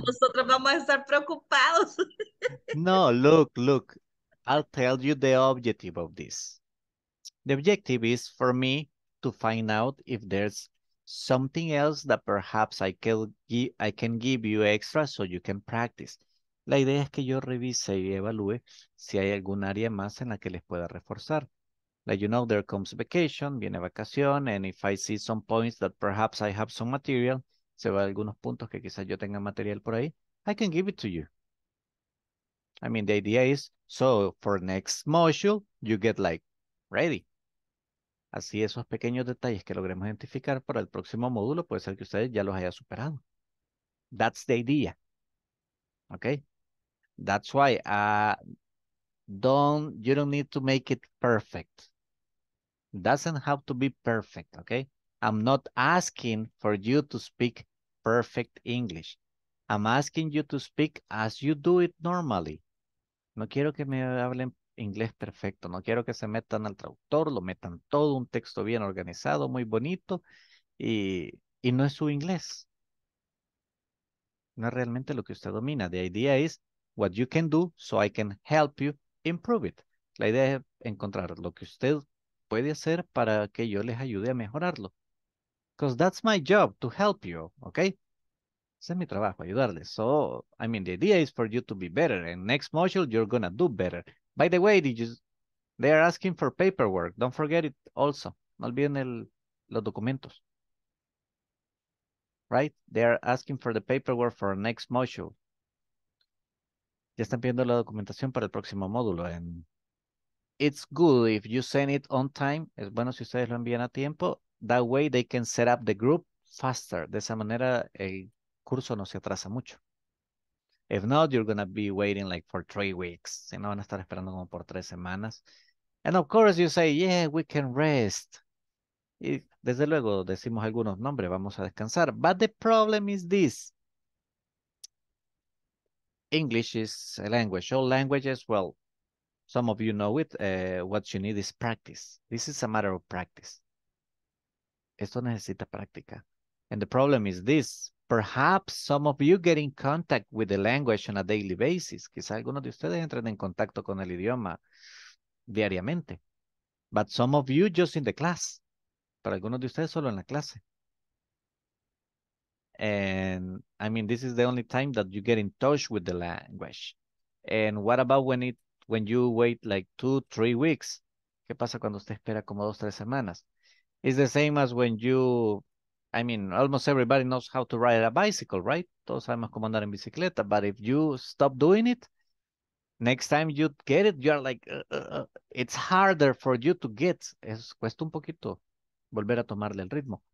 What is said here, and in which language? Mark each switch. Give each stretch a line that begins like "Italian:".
Spanish: Pero nosotros vamos a estar preocupados.
English: No, look. I'll tell you the objective of this. The objective is for me to find out if there's something else that perhaps I can give you extra so you can practice.
Spanish: La idea es que yo revise y evalúe si hay algún área más en la que les pueda reforzar.
English: Like, you know, there comes vacation,
Spanish: viene vacación,
English: and if I see some points that perhaps I have some material,
Spanish: se va algunos puntos que quizás yo tenga material por ahí,
English: I can give it to you. I mean, the idea is, so for next module, you get like, ready.
Spanish: Así esos pequeños detalles que logremos identificar para el próximo módulo, puede ser que ustedes ya los haya superado.
English: That's the idea. Okay? That's why, you don't need to make it perfect. Doesn't have to be perfect, okay? I'm not asking for you to speak perfect English. I'm asking you to speak as you do it normally.
Spanish: No quiero que me hablen inglés perfecto. No quiero que se metan al traductor, lo metan todo, un texto bien organizado, muy bonito, y no es su inglés. No es realmente lo que usted domina.
English: The idea is what you can do so I can help you improve it.
Spanish: La idea es encontrar lo que usted puede hacer para que yo les ayude a mejorarlo.
English: Because that's my job, to help you, okay?
Spanish: Ese es mi trabajo, ayudarles.
English: So, I mean, the idea is for you to be better. And next module, you're gonna do better. By the way, They are asking for paperwork. Don't forget it also.
Spanish: No olviden los documentos.
English: Right? They are asking for the paperwork for our next module.
Spanish: Ya están pidiendo la documentación para el próximo módulo.
English: And it's good if you send it on time.
Spanish: Es bueno si ustedes lo envían a tiempo.
English: That way they can set up the group faster.
Spanish: De esa manera el curso no se atrasa mucho.
English: If not, you're going to be waiting like for 3 weeks.
Spanish: Si no, van a estar esperando como por 3 semanas.
English: And of course you say, yeah, we can rest.
Spanish: Y desde luego decimos algunos nombres, vamos a descansar.
English: But the problem is this. English is a language. All languages, well, some of you know it. What you need is practice. This is a matter of practice.
Spanish: Esto necesita práctica.
English: And the problem is this. Perhaps some of you get in contact with the language on a daily basis.
Spanish: Quizá algunos de ustedes entren en contacto con el idioma diariamente.
English: But some of you just in the class.
Spanish: Pero algunos de ustedes solo en la clase.
English: And I mean, this is the only time that you get in touch with the language. And what about when you wait like 2-3 weeks?
Spanish: ¿Qué pasa cuando usted espera como 2-3 semanas?
English: It's the same as when you, I mean, almost everybody knows how to ride a bicycle, right?
Spanish: Todos sabemos cómo andar en bicicleta.
English: But if you stop doing it, next time you get it, you are like, it's harder for you to get.
Spanish: Es, cuesta un poquito volver a tomarle el ritmo.